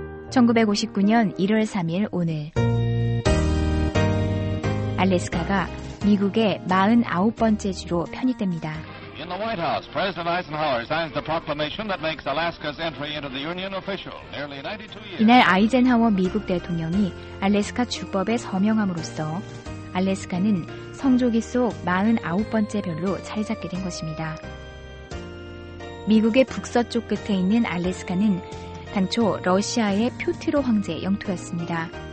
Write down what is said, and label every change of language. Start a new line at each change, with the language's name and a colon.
Korean: 1959년 1월 3일 오늘, 알래스카가 미국의 49번째 주로 편입됩니다.
English: In the White House, President Eisenhower signs the proclamation that makes Alaska's entry into the Union official. Nearly 92 years.
Korean: 이날 아이젠하워 미국 대통령이 알래스카 주법에 서명함으로써 알래스카는 성조기 속 49번째 별로 자리 잡게 된 것입니다. 미국의 북서쪽 끝에 있는 알래스카는 당초 러시아의 표트로 황제 영토였습니다.